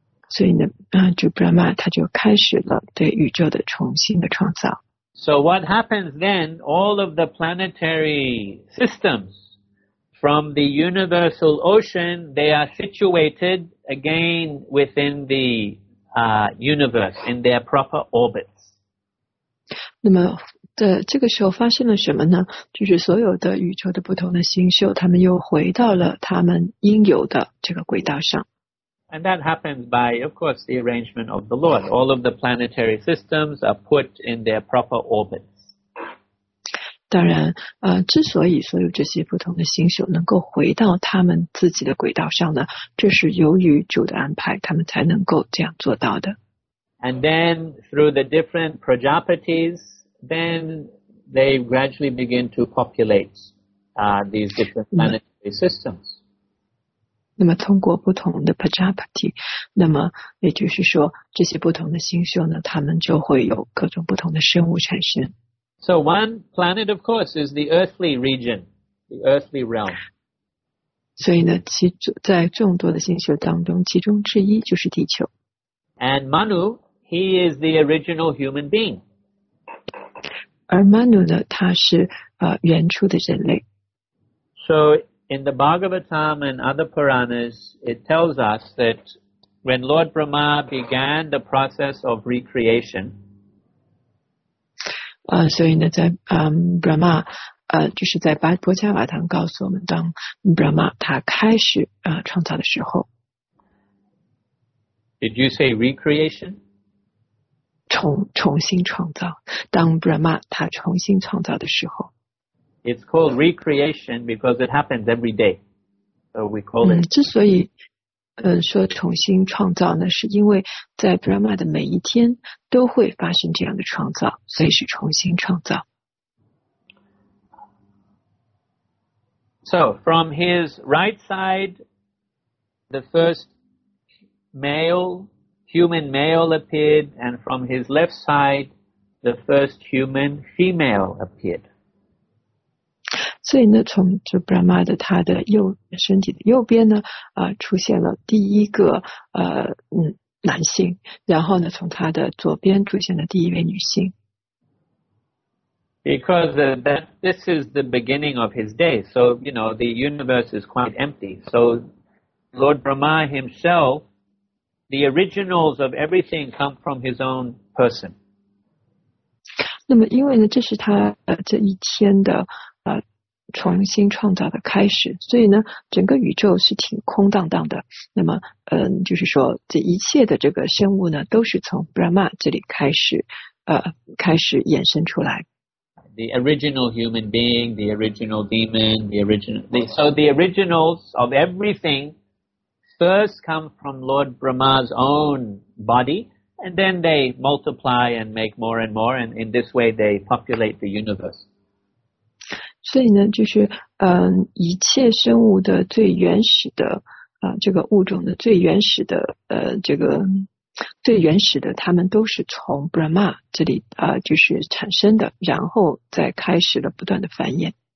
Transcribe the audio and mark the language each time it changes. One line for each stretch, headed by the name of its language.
Chinese: 所以呢就 Brahma 他就开始了对宇宙的重新的创造。
English: So what happens then, all of the planetary systems from the universal ocean, they are situated again within the universe in their proper orbits.
Chinese: 那么对，这个时候发生了什么呢？就是所有的宇宙的不同的星宿，他们又回到了他们应有的这个轨道上。
English: And that happens by, of course, the arrangement of the Lord. All of the planetary systems are put in their proper orbits.
Chinese: 当然，之所以所有这些不同的星宿能够回到他们自己的轨道上呢，这是由于主的安排，他们才能够这样做到的。
English: And then through the different Prajapatis,then they gradually begin to populate these different planetary systems.
Chinese: 那么通过不同的 Prajapati, 那么也就是说这些不同的星宿呢它们就会有各种不同的生物产生。
English: So one planet, of course, is the earthly region, the earthly realm.
Chinese: 所以呢其在众多的星宿当中其中之一就是地球。
English: And Manu, he is the original human being.
Chinese: 而 Manu 呢他是原初的人类。
English: So in the Bhagavatam and other Puranas, it tells us that when Lord Brahma began the process of recreation,
Chinese: 所以呢在 Brahma, 就是在波伽瓦堂告诉我们当 Brahma 他开始创造的时候。
English: Did you say recreation?
Chinese: 重新创造当 Brahma 他重新创造的时候
English: It's called recreation because it happens every day. So we call it
Chinese: 之所以说重新创造呢是因为在 Brahma 的每一天都会发生这样的创造所以是重新创造
English: So from his right side the first maleHuman male appeared, and from his left side, the first human female appeared.
Chinese: 所以呢，从这 Brahma 的他的右身体的右边呢，出现了第一个男性，然后呢，从他的左边出现了第一位女性。
English: Because that this is the beginning of his day, so you know the universe is quite empty. So Lord Brahma himself. The originals of everything come from his own person.
Chinese: 那么因为呢这是他这一天的重新创造的开始所以呢整个宇宙是挺空荡荡的那么就是说这一切的这个生物呢都是从 Brahma 这里开始衍生出来。
English: The original human being, the original demon, so the originals of everything,First come from Lord Brahma's own body, and then they multiply and make more and more, and in this way they populate the universe.
Chinese: 所以呢，就是一切生物的最原始的这个物种的最原始的这个最原始的，它们都是从 Brahma 这里就是产生的，然后再开始了不断的繁衍。